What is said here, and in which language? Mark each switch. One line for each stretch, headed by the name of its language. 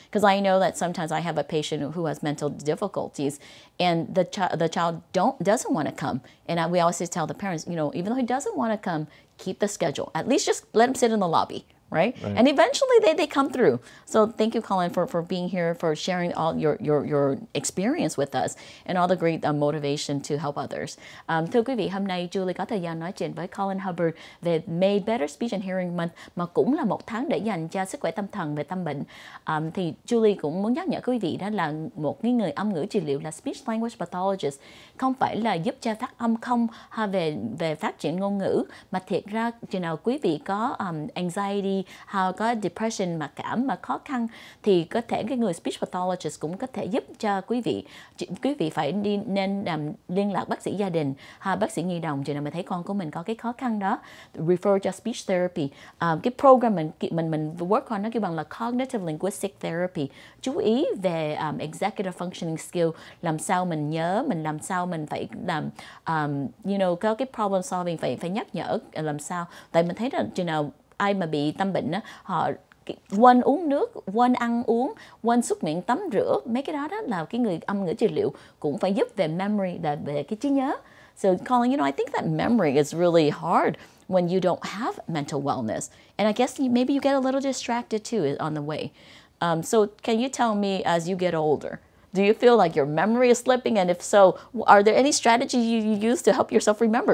English: Because I know that sometimes I have a patient who has mental difficulties and the child doesn't want to come. And we always tell the parents, you know, even though he doesn't want to come, keep the schedule. At least just let him sit in the lobby, right? And eventually they come through. So thank you, Collin, for being here, for sharing all your experience with us and all the great motivation to help others.
Vietnamese: Thưa quý vị, hôm nay Julie có thời gian nói chuyện với Collin Hubbard về May Better Speech and Hearing Month, mà cũng là một tháng để dành cho sức khỏe tâm thần và tâm bệnh. Thì Julie cũng muốn nhắc nhở quý vị đó là một người âm ngữ trị liệu là Speech Language Pathologist không phải là giúp cho phát âm không về phát triển ngôn ngữ, mà thiệt ra chừng nào quý vị có anxiety, họ có depression mặc cảm mà khó khăn thì có thể cái người speech pathologist cũng có thể giúp cho quý vị. Quý vị phải đi nên liên lạc bác sĩ gia đình hoặc bác sĩ nhi đồng chừng nào mình thấy con của mình có cái khó khăn đó, refer cho speech therapy. Cái program mình work on nó kêu bằng là
English: cognitive linguistic therapy,
Vietnamese: chú ý về
English: executive functioning skill,
Vietnamese: làm sao mình nhớ, mình làm sao mình phải làm you know, có cái
English: problem solving
Vietnamese: phải nhắc nhở làm sao. Tại mình thấy là chừng nào ai mà bị tâm bệnh á, họ quên uống nước, quên ăn uống, quên súc miệng tắm rửa, mấy cái đó là cái người âm ngữ trị liệu cũng phải giúp về memory, là về cái trí nhớ.
English: So Collin, you know, I think that memory is really hard when you don't have mental wellness, and I guess maybe you get a little distracted too on the way. So can you tell me, as you get older, do you feel like your memory is slipping? And if so, are there any strategies you use to help yourself remember?